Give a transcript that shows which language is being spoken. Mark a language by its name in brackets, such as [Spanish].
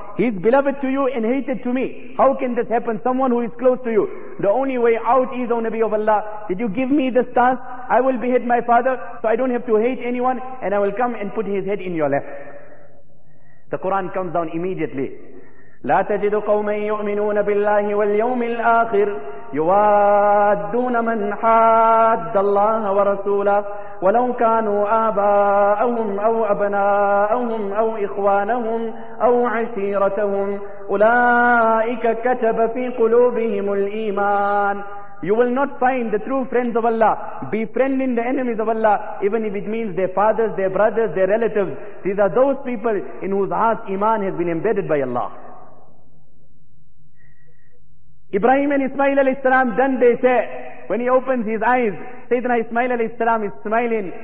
[English] He is beloved to you and hated to me. How can this happen? Someone who is close to you. The only way out is, O Nabi of Allah, did you give me this task? I will behead my father so I don't have to hate anyone, and I will come and put his head in your lap. The Quran comes down immediately. [Arabic] لا تجد قوما يؤمنون بالله واليوم الآخر يوادون من حاد الله ورسوله ولو كانوا آباءهم أو أبناءهم أو إخوانهم أو عشيرتهم أولئك كتب في قلوبهم الإيمان. [English] You will not find the true friends of Allah befriending the enemies of Allah, even if it means their fathers, their brothers, their relatives. These are those people in whose heart Iman has been embedded by Allah. Ibrahim and Ismail alayhi salam done their share. When he opens his eyes, Sayyidina Ismail alayhi salam is smiling.